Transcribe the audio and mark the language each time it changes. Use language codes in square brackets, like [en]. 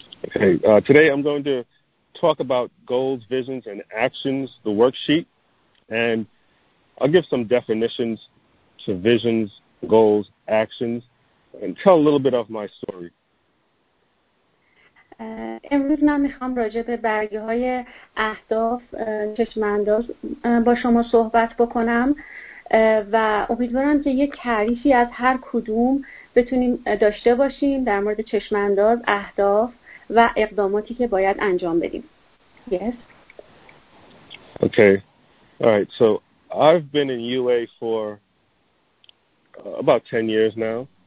[en] Today I'm going to talk about goals, visions, and actions, the worksheet, and I'll give some definitions to visions, goals, actions, and tell a little bit of my story. [fa] امروز من میخوام راجع به برگه‌های اهداف چشم‌انداز با شما صحبت بکنم و امیدوارم که یک تعریفی از هر کدوم بتونیم داشته باشیم در مورد چشم‌انداز اهداف و اقداماتی که باید انجام بدیم. [en] Yes. Okay. All right. So I've been in UA for about 10 years now.